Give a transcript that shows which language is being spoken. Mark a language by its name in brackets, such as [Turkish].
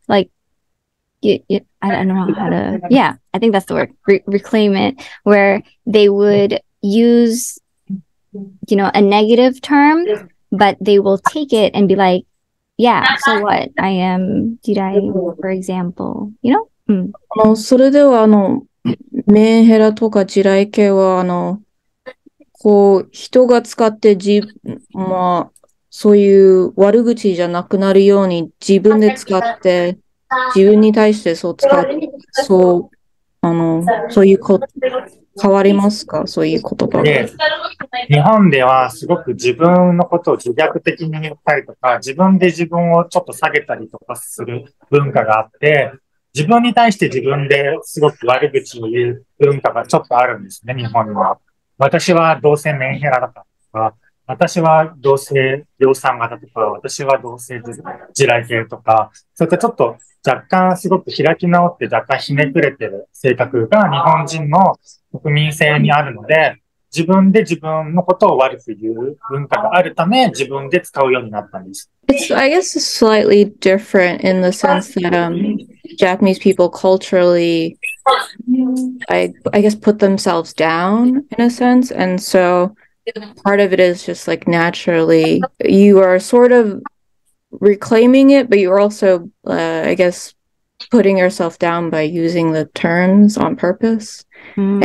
[English] Like, I don't know how to... Yeah, I think that's the word, reclaim it, where they would use, you know, a negative term, but they will take it and be like, yeah, so what? I am jirai, for example, you know? [Japanese] それでは、メンヘラとか地雷系は、こう、人が使って、まあ、そういう悪口じゃなくなるように、自分で使って、自分に対してそう使って、そう、そういうこと、変わりますか？そういう言葉が。日本では、すごく自分のことを自虐的に言ったりとか、自分で自分をちょっと下げたりとかする文化があって、自分に対して自分ですごく悪口を言う文化がちょっとあるんですね、日本には。私はどうせメンヘラだったとか、私はどうせ量産型とか、私はどうせ地雷系とか、それとちょっと若干すごく開き直って若干ひねくれてる性格が日本人の国民性にあるので、自分で自分のことを悪く言う文化があるため、自分で使うようになったんです。 [English] It's, I guess, slightly different in the sense that, Japanese people culturally, I guess, put themselves down in a sense. And so part of it is just like naturally, you are sort of reclaiming it, but you're also, I guess, putting yourself down by using the terms on purpose. Mm.